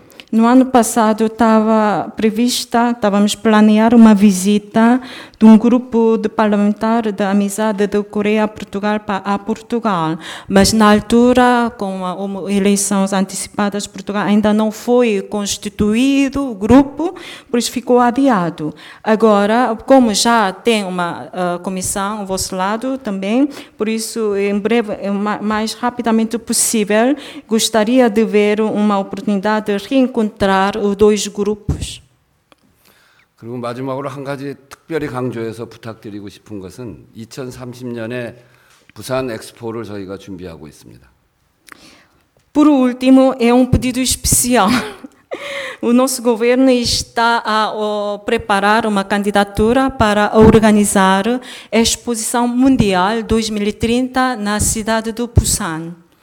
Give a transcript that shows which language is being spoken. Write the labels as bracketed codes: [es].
[pt] No ano passado estava prevista, estávamos planear uma visita de um grupo de parlamentar da amizade da Coreia a Portugal, mas na altura, com as eleições antecipadas, Portugal ainda não foi constituído o grupo, por isso ficou adiado. Agora, como já tem uma comissão ao vosso lado também, por isso, em breve, mais rapidamente possível, gostaria de ver uma oportunidade de reencontrar os dois grupos. [ko] 그리고 마지막으로 한 가지 특별히 강조해서 부탁드리고 싶은 것은 2030년에 부산 엑스포를 저희가 준비하고 있습니다. [pt] Por último, é pedido especial. O nosso governo está a preparar uma candidatura para organizar a Exposição Mundial 2030 na cidade do Busan.